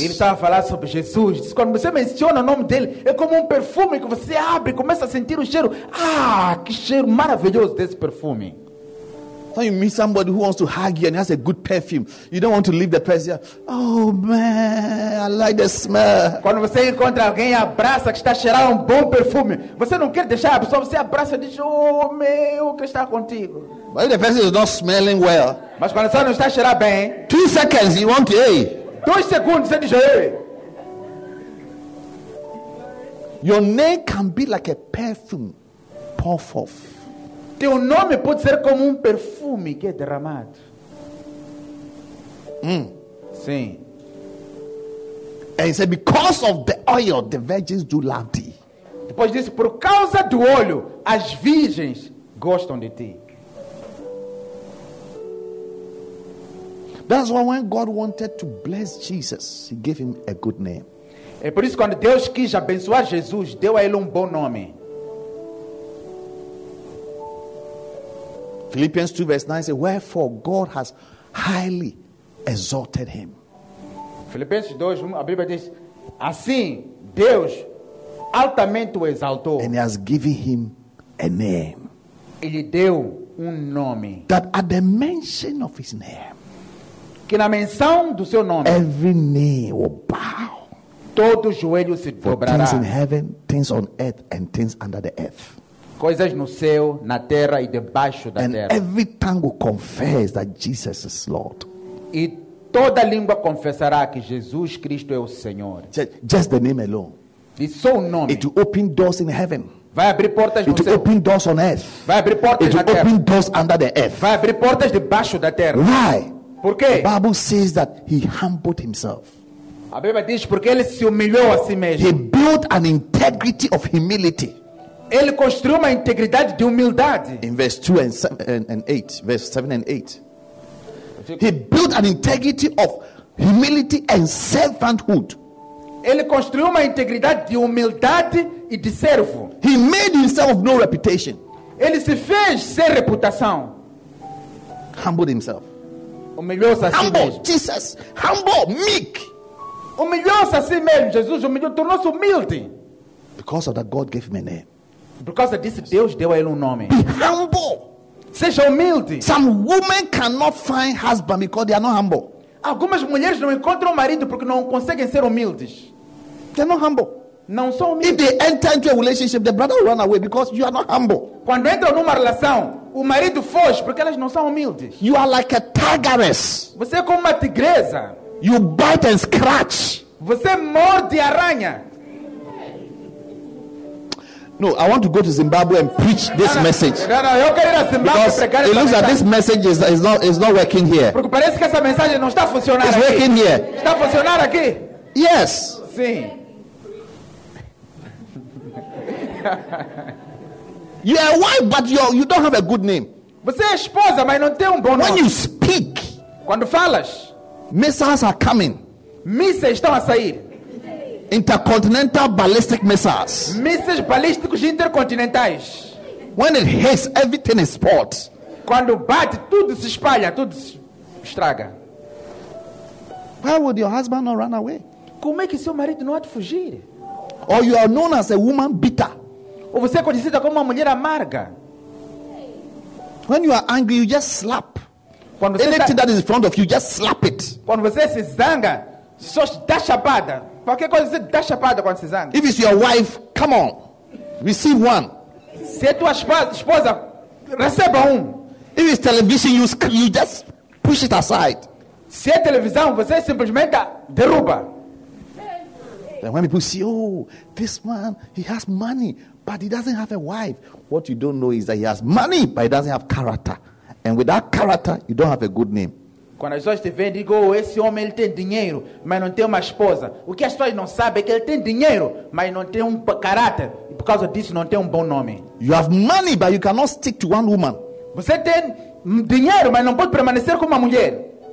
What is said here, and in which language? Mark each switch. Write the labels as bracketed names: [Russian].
[Portuguese] Ele estava a falar sobre Jesus. Diz, quando você menciona o nome dele, é como um perfume que você abre e começa a sentir o cheiro. Ah, que cheiro maravilhoso desse perfume. [English] When you meet somebody who wants to hug you and has a good perfume, you don't want to leave the person. Oh man, I like the smell. [Portuguese] Quando você encontra alguém e abraça que está a cheirar um bom perfume, você não quer deixar a pessoa, você abraça e diz, oh meu, que está contigo. [English] But if the person is not smelling well. [Portuguese] Mas quando você não está a cheirar bem. [English] 2 seconds, you want to, hey. [Portuguese] 2 segundos, você diz, hey. [English] Your name can be like a perfume. Pour forth. [Portuguese] Teu nome pode ser como um perfume que é derramado. Sim. [English] And he said, because of the oil, the virgins do love thee. [Portuguese] Depois disse, por causa do óleo, as virgens gostam de ti. [English] That's why when God wanted to bless Jesus, he gave him a good name. [Portuguese] É por isso que quando Deus quis abençoar Jesus, deu a ele um bom nome. [English] Philippians 2 verse 9 says, wherefore God has highly exalted him. [Portuguese] Philippians 2, a Bíblia diz, assim Deus altamente o exaltou. [English] And he has given him a name. [Portuguese] Ele deu nome. [English] That at the mention of his name. [Portuguese] Que na menção do seu nome. [English] Every knee will bow. [Portuguese] Todo joelho se dobrará. [English] Things in heaven, things on earth, and things under the earth. [Portuguese] Coisas no céu, na terra e debaixo da [English] and [Portuguese] terra. [English] And every tongue will confess that Jesus is Lord. [Portuguese] E toda língua confessará que Jesus Cristo é o Senhor. [English] Just the name alone. [Portuguese] Isso é o nome. [English] It will open doors in heaven. [Portuguese] Vai abrir portas no céu. [English] It will open doors on earth. [Portuguese] Vai abrir portas na terra. [English] It will open doors under the earth. [Portuguese] Vai abrir portas debaixo da terra. [English] Why? [Portuguese] Por quê? [English] The Bible says that he humbled himself. [Portuguese] A Bíblia diz porque ele se humilhou a si mesmo. [English] He built an integrity of humility. [Portuguese] Ele construiu uma integridade de humildade. [English] In verse 2 and 7 and 8, verse 7 and 8. He built an integrity of humility and servanthood. [Portuguese] Ele construiu uma integridade de humildade e de servo. [English] He made himself of no reputation. [Portuguese] Ele se fez sem reputação. [English] Humbled himself. [Portuguese] Humilhou-se a si mesmo. [English] Humble, Jesus, humble, meek. [Portuguese] Humilhou-se a si mesmo, Jesus, tornou-se humilde. [English] Because of that, God gave him a name. [Portuguese] Por causa disso, Deus deu a ele nome. [English] Be humble. [Portuguese] Seja humilde. [English] Some women cannot find husband because they are not humble. [Portuguese] Algumas mulheres não encontram marido porque não conseguem ser humildes. [English] They're not humble. [Portuguese] Não são humildes. [English] If they enter into a relationship, the brother will run away because you are not humble. [Portuguese] Quando entram numa relação, o marido foge porque elas não são humildes. [English] You are like a tigress. [Portuguese] Você é como uma tigresa. [English] You bite and scratch. [Portuguese] Você morde e arranha. [English] No, I want to go to Zimbabwe and preach this message. [Portuguese] No, eu quero ir a Zimbabwe [English] because it looks like this message is not working here. [Portuguese] Porque parece que essa mensagem não está funcionando. [English] It's working [Portuguese] aqui. [English] Here. [Portuguese] Está funcionando aqui? [English] Yes. [Portuguese] Sim. [English] You are wife, but you don't have a good name. [Portuguese] Você é esposa, mas não tem bom nome. [English] When you speak, [Portuguese] quando falas, [English] missiles are coming. [Portuguese] Mísseis estão a sair. [English] Intercontinental ballistic missiles. [Portuguese] Mísseis balísticos intercontinentais. [English] When it hits, everything is spot. [Portuguese] Quando bate, tudo se espalha, tudo se estraga. [English] Why would your husband not run away? [Portuguese] Como é que seu marido não há de fugir? [English] Or you are known as a woman bitter. [Portuguese] Ou você é conhecida como uma mulher amarga. [English] When you are angry, you just slap. Anything that is in front of you, just slap it. [Portuguese] Quando você se zanga, só dá chapada. Qualquer coisa você dá chapada quando se zanga. [English] If it's your wife, come on. Receive one. [Portuguese] Se é tua esposa, receba [English] If it's television, you just push it aside. [Portuguese] Se é televisão, você simplesmente derruba. [English] Then when people see, oh, this man, he has money, but he doesn't have a wife. What you don't know is that he has money, but he doesn't have character. And with that character, you don't have a good name. [Portuguese] Quando as pessoas te veem, digo, oh, esse homem ele tem dinheiro, mas não tem uma esposa. O que as pessoas não sabem é que ele tem dinheiro, mas não tem um caráter. E por causa disso, não tem um bom nome. [English] You have money, but you cannot stick to one woman. [Portuguese] Você tem dinheiro, mas não pode permanecer com uma mulher.